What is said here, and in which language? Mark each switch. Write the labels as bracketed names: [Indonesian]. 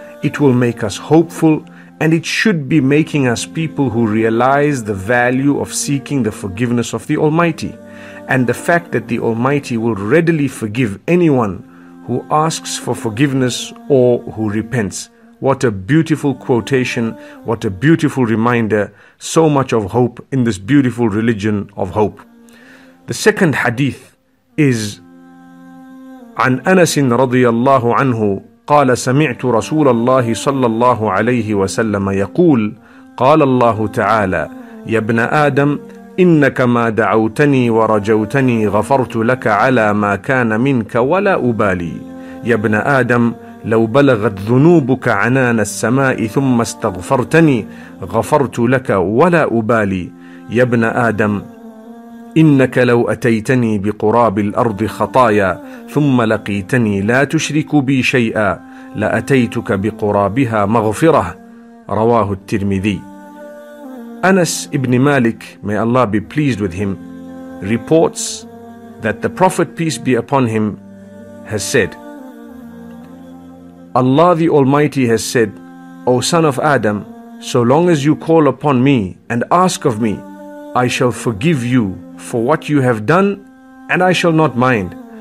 [English] It will make us hopeful, and it should be making us people who realize the value of seeking the forgiveness of the Almighty, and the fact that the Almighty will readily forgive anyone who asks for forgiveness or who repents. What a beautiful quotation, what a beautiful reminder, so much of hope in this beautiful religion of hope. The second hadith is, [Arabic] عن أنس رضي الله عنه قال سمعت رسول الله صلى الله عليه وسلم يقول قال الله تعالى يا ابن آدم إنك ما دعوتني ورجوتني غفرت لك على ما كان منك ولا أبالي يا ابن آدم لو بلغت ذنوبك عنان السماء ثم استغفرتني غفرت لك ولا أبالي يا ابن آدم إنك لو أتيتني بقراب الأرض خطايا ثم لقيتني لا تشرك بي شيئا لأتيتك بقرابها مغفرة رواه الترمذي. [English] Anas ibn Malik, may Allah be pleased with him, reports that the Prophet, peace be upon him, has said, Allah the Almighty has said, O son of Adam, so long as you call upon me and ask of me, I shall forgive you for what you have done and I shall not mind.